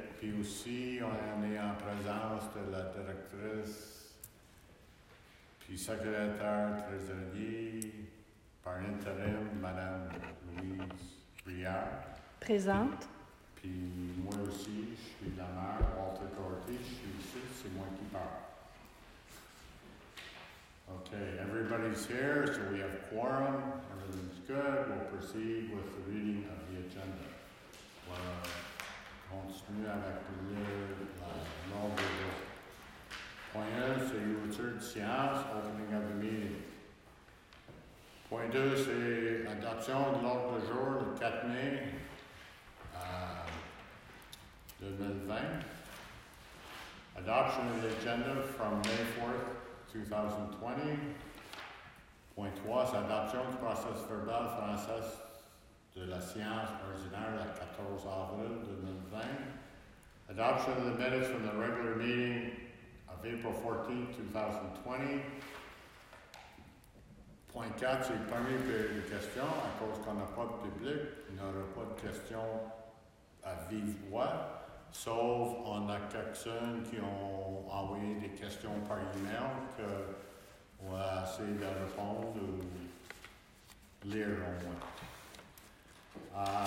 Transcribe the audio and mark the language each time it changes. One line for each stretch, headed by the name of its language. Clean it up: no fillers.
French: Puis aussi, on est en présence de la directrice, puis secrétaire trésorier, par intérim, Madame Louise Briard. Présente. Puis moi aussi, je suis la mère, Walter Corti, je suis ici, c'est moi qui parle.
English: OK, everybody's here, so we have quorum, everything's good, we'll proceed with the reading of the agenda.
French: Voilà. Continue avec l'ordre de vote. Point 1, c'est l'ouverture de séance,
English: opening of the meeting.
French: Point 2, c'est adoption de l'ordre du jour le 4 mai 2020.
English: Adoption of the agenda from May 4th, 2020.
French: Point 3, c'est adoption du process verbal français de la séance ordinaire le 14 avril 2020.
English: Adoption of the minutes from the regular meeting of April 14, 2020.
French: Point 4, c'est le premier période de questions à cause qu'on n'a pas de public. Il n'y aura pas de questions à vive voix, sauf on a quelques-uns qui ont envoyé des questions par email qu'on va essayer de répondre ou lire au moins.